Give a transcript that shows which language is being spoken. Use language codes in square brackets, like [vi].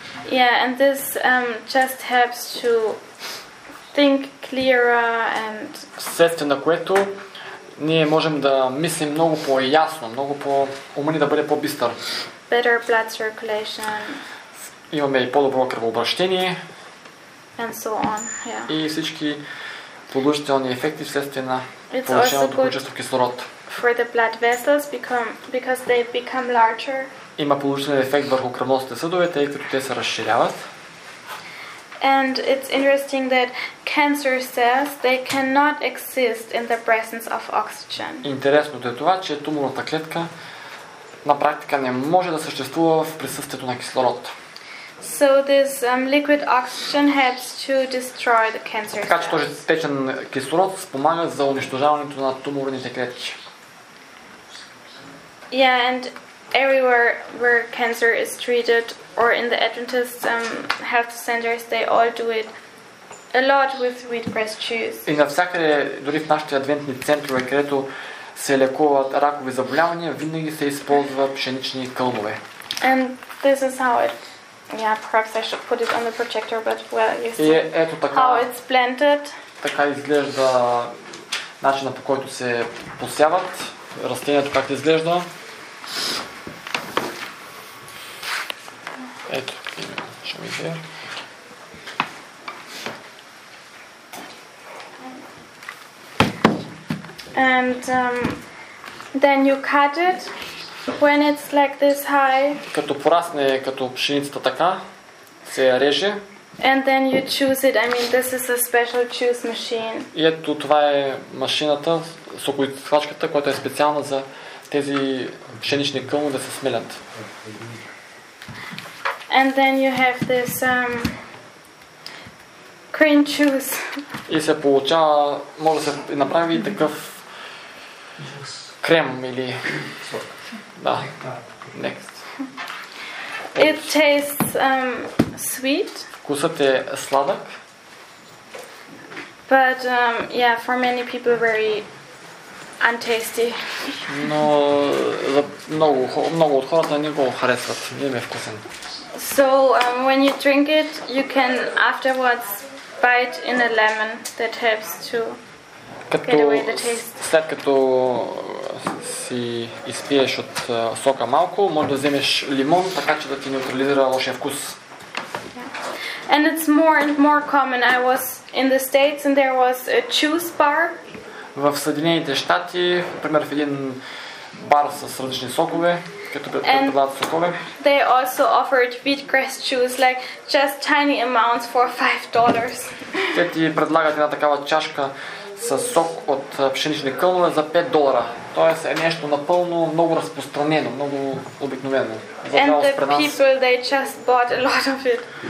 [en] Yeah, and this just helps to think clearer and [bg] вследствие на което ние можем да мислим много по-ясно, много по-умни, да бъде по-бистър. [en] Better blood circulation. [bg] Имаме и по-добро кръвообращение. [en] And so on, yeah. [bg] И всички положителни ефекти вследствие на повишеното количество кислород. [en] For the blood vessels because they become larger. [bg] Има положителен ефект върху кръвоносните съдове, тъй като те се разширяват. [en] And it's interesting that cancer cells they cannot exist in the presence of oxygen. [bg] Интересното е това, че туморната клетка на практика не може да съществува в присъствието на кислород. [en] So this liquid oxygen helps to destroy the cancer cells. [bg] Така че този течен кислород спомага за унищожаването на туморните клетки. [en] Yeah, and everywhere where cancer is treated or in the Adventist health centers, they all do it a lot with wheatgrass juice. [bg] И навсякъде, дори в нашите адвентни центрове, където се лекуват ракови заболявания, винаги се използват пшенични кълбове. [en] And this is how it, yeah, perhaps I should put it on the projector, but well, you see [bg] ето така, [en] how it's planted. [bg] Така изглежда начина, по който се посяват растението, как изглежда. Ето, ще ми видя. [en] And then you cut it when it's like this high. [bg] Като порасне, като пшеницата така, се реже. [en] And then you choose it. I mean, this is a special choose machine. [bg] И ето това е машината, сокоизсвачката, която е специална за тези пшенични кълни да се смелят. [en] And then you have this green juice. [bg] И се получава, може да се направи такъв крем или да. [en] Next. It tastes sweet. [bg] Вкусът е сладък. [en] But yeah, for many people very untasty. [bg] Но за много от хората не го харесват. Не е вкусен. [en] So when you drink it, you can afterwards bite in a lemon that helps to [bg] като след като си изпиеш от сока малко, може да вземеш лимон, така че да ти неутрализира лошия вкус. [en] And it's more and more common. I was in the States and there was a juice bar. [bg] В Съединените щати, например, в един бар с различни сокове, като предлагат сокове. [en] They also offered wheatgrass juice, like just tiny amounts for $5. [bg] Те ти предлагат една такава чашка със сок от пшенични кълнове за $5. Тоест е нещо напълно много разпространено, много обикновено. [en] And the people, they just bought a lot of it.